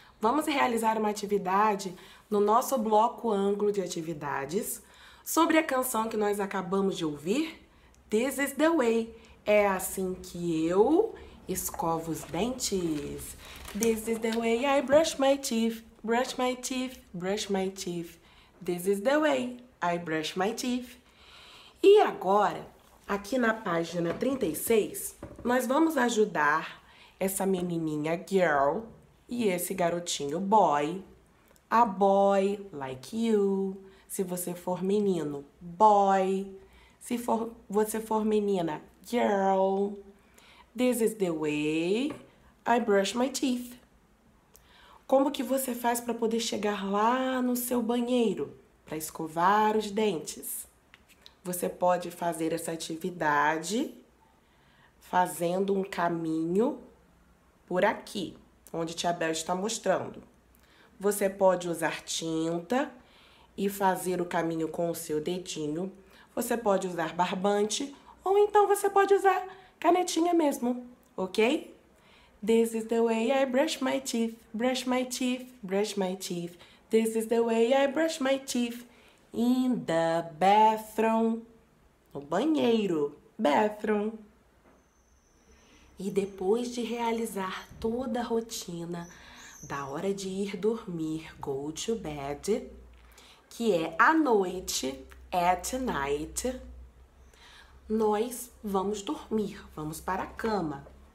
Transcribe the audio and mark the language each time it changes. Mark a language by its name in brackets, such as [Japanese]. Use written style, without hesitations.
[Portuguese] Vamos realizar uma atividade no nosso bloco ângulo de atividades sobre a canção que nós acabamos de ouvir, This is the Way. É assim que eu escovo os dentes. [English] This is the way I brush my teeth, brush my teeth, brush my teeth. This is the way I brush my teeth. [Portuguese] E agora, aqui na página 36, nós vamos ajudar essa menininha girl e esse garotinho boy. [English] A boy like you. [Portuguese] Se você for menino, [English] boy. [Portuguese] Se for você for menina, girl. [English] This is the way I brush my teeth. [Portuguese] Como que você faz para poder chegar lá no seu banheiro para escovar os dentes? Você pode fazer essa atividade fazendo um caminho por aqui, onde Tia Bel está mostrando. Você pode usar tinta e fazer o caminho com o seu dedinho. Você pode usar barbante ou então você pode usar canetinha mesmo, ok? [English] This is the way I brush my teeth, brush my teeth, brush my teeth. This is the way I brush my teeth in the bathroom. [Portuguese] No banheiro, bathroom. E depois de realizar toda a rotina da hora de ir dormir, [English] go to bed, [Portuguese] que é à noite, [English] at night, [Portuguese] nós vamos dormir, vamos para a cama.